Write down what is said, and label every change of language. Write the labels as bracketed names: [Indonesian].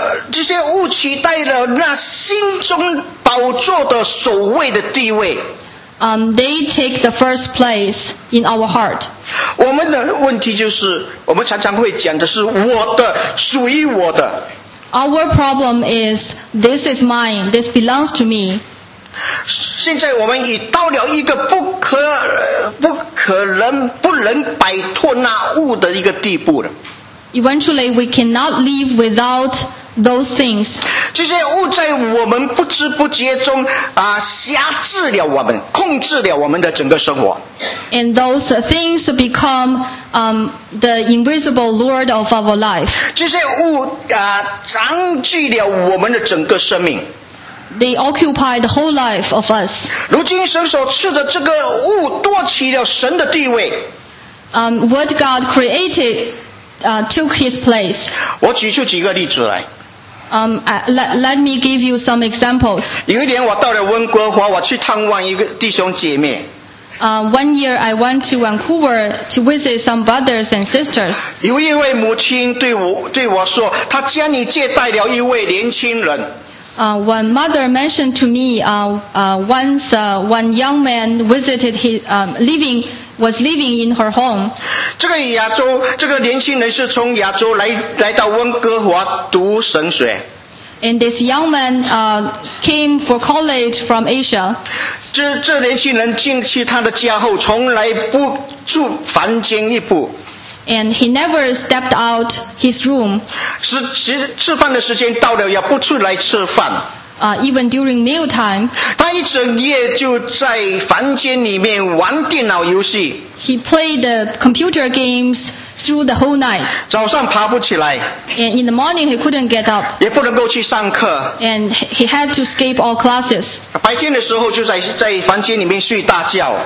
[Chinese] 这些物取代了那心中宝座的首位的地位。 [English] They take the first place in our heart. [Chinese] 我们的问题就是，我们常常会讲的是我的，属于我的。 [English] Our problem is, this is mine, this belongs to me. [Chinese] 现在我们已到了一个不可能不能摆脱那物的一个地步了。 [English] Eventually, we cannot live without those things. [Chinese] 这些物在我们不知不觉中辖制了我们，控制了我们的整个生活。 [English] And those things become the invisible lord of our life. [Chinese] 这些物占据了我们的整个生命。 [English] They occupy the whole life of us. [Chinese] 如今神所赐的这个物夺取了神的地位。 [English] What God created took his place. [Chinese] 我举出几个例子来。 [English] Let me give you some examples. [Chinese] 有一年我到了温哥华，我去探望一个弟兄姐妹。 [English] One year I went to Vancouver to visit some brothers and sisters. [Chinese] 有一位母亲对我说，她家里接待了一位年轻人。 [English] One mother mentioned to me, one young man visited was living in her home. [Chinese] 这个年轻人是从亚洲来到温哥华读神学。 [English] And this young man, came for college from Asia. [Chinese] 这年轻人进去他的家后，从来不住房间一步。 [English] And he never stepped out his room. [Chinese] 吃饭的时间到了也不出来吃饭。 [English] Even during meal time, he played the computer games through the whole night. [Chinese] 早上爬不起来, [English] and in the morning, he couldn't get up. [Chinese] 也不能够去上课, [English] and he had to skip all classes. [Chinese] 白天的时候就在房间里面睡大觉,